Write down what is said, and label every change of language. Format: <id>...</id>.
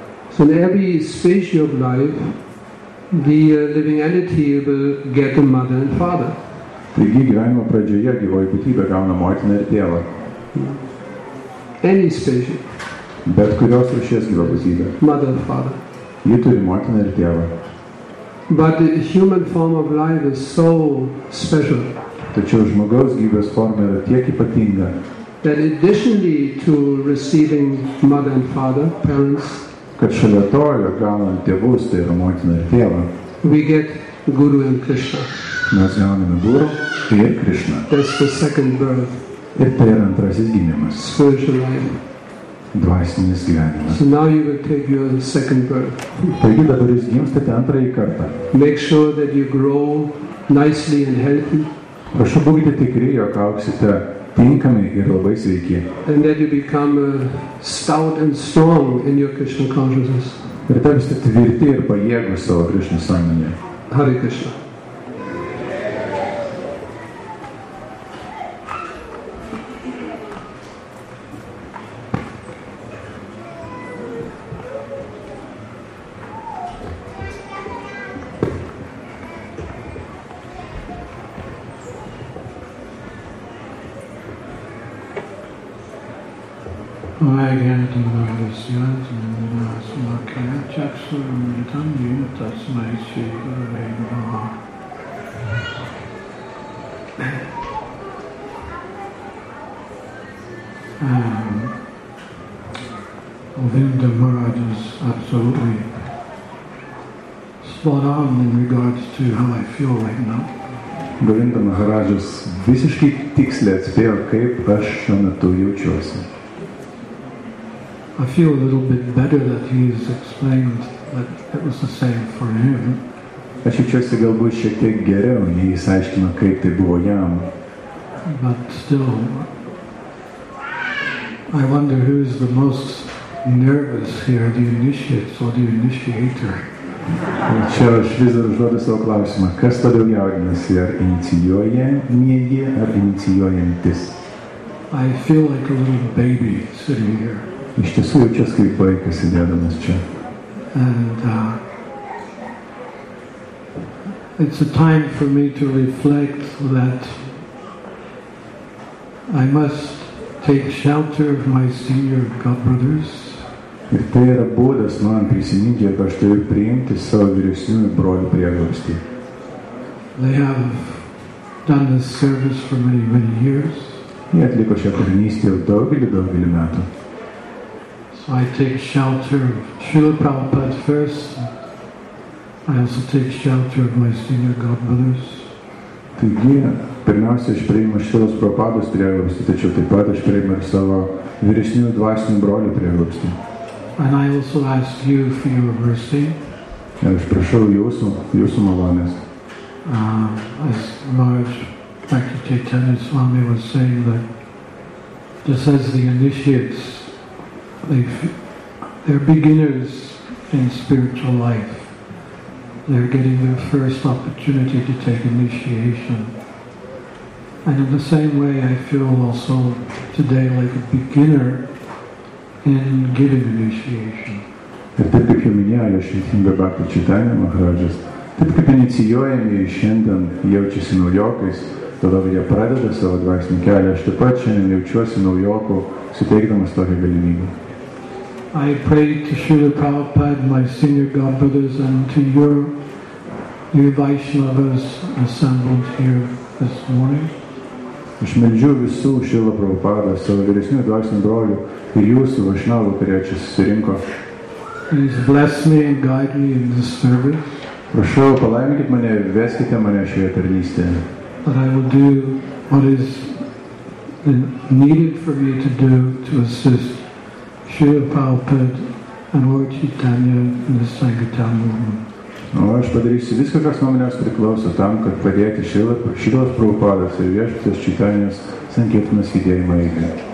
<en>So in every species of life, the living entity will get a mother and father.</en> <lt>Taigi, gyvenimo pradžioje gyvoji būtybė gauna motiną ir tėvą.</lt> <en>Any species.</en> <lt>Bet kurios rūšies gyva būtybė.</lt> <en>Mother and father.</en> <lt>Ji turi motiną ir tėvą.</lt> <en>But the human form of life is so special.</en> <lt>Tačiau žmogaus gyvybės forma yra tiek ypatinga.</lt> <en>That additionally to receiving mother and father, parents,</en> <lt>kad šalia to, jog gaunant tėvus, tai yra motiną ir tėvą,</lt> <en>we get Guru and Krishna.</en> <lt>Mes gauname Guru ir Krishna.</lt> <en>That's the second birth.</en> <lt>Ir tai yra antrasis gimimas.</lt> <en>Spiritual life.</en> <lt>Dvasinis gyvenimas.</lt> <en>So now you will take your second birth.</en> <lt>Taigi dabar jūs gimstate antrąjį kartą.</lt> <en>Make sure that you grow nicely and healthy.</en> <lt>Prašau, būkite tikri, jog auksite tinkami ir labai sveiki.</lt> <en>And that you become stout and strong in your Krishna consciousness.</en> <lt>Ir tapsite tvirti ir pajėgus savo Krishna sąmonėje.</lt> <en>Hare Krishna.</en> <sa>Tasmai Sri Guru Namaha.</sa> <en>Govinda Maharaj is absolutely spot on in regards to how I feel right now.</en> <lt>Govinda Maharaj is visiškai tiksliai atspėjo, kaip aš šiuo metu jaučiuosi.</lt> <en>I feel a little bit better that he has explained that it was the same for him.</en> <lt>Aš jaučiuosi galbūt šiek tiek geriau, jei jis aiškino, kaip tai buvo jam.</lt> <en>But still, I wonder who is the most nervous here, the initiates or the initiator.</en> <lt>Čia aš vis dar užduodu savo klausimą, kas todėl jaudinasi, ar inicijuoja mėgį, ar inicijuojantis?</lt> <en>I feel like a little baby sitting here.</en> <lt>Iš tiesų jaučiuosi kaip vaikas sėdėdamas čia.</lt> <en>And it's a time for me to reflect that I must take shelter of my senior godbrothers.</en> <lt>Ir tai yra būdas man prisiminti, jog aš turiu priimti savo vyresniųjų brolių prieglobstį.</lt> <en>They have done this service for many, many years.</en> <lt>Jie atliko šią tarnystę jau daugelį, daugelį metų.</lt> <en>So I take shelter of Srila Prabhupada first. I also take shelter of my senior godbrothers.</en> <lt>Taigi, pirmiausia, aš priimu Šrilos Prabhupados prieglobstį, tačiau taip pat aš priimu ir savo vyresniųjų dvasinių brolių prieglobstį.</lt> <en>And I also ask you for your mercy.</en> <lt>Aš prašau jūsų, jūsų malonės.</lt> <en>As Maharaj Bhakti Chaitanya Swami was saying that just as the initiates, they're beginners in spiritual life. They're getting their first opportunity to take initiation. And in the same way, I feel also today like a beginner in giving initiation.</en> <lt>Ir taip kaip jau minėjo šventinga Bhakti Chaitanya Maharajas, taip kaip inicijuojami šiandien jaučiasi naujokais, tada jie pradeda savo dvasinį kelią, aš taip pat šiandien jaučiuosi naujoku, suteikdamas tokią galimybę.</lt> <en>I pray to Srila Prabhupada, my senior godbrothers, and to your new Vaishnavas assembled here this morning.</en> <lt>Aš meldžiu visų Srila Prabhupada, savo vyresnių dvasinių brolių ir jūsų Vaishnavų, kurie čia susirinko.</lt> <en>Please bless me and guide me in this service.</en> <lt>Prašau, palaiminkit mane ir veskite mane šioje tarnystėje.</lt> <en>That I will do what is needed for me to do to assist Srila Prabhupada and Lord Chaitanya in the Sankirtan movement.</en> <lt>O aš padarysiu viską, kas nuo manęs priklauso tam, kad padėti Šrilos Prabhupados ir Viešpaties Čaitanjos sankirtanos judėjimo eigą.</lt>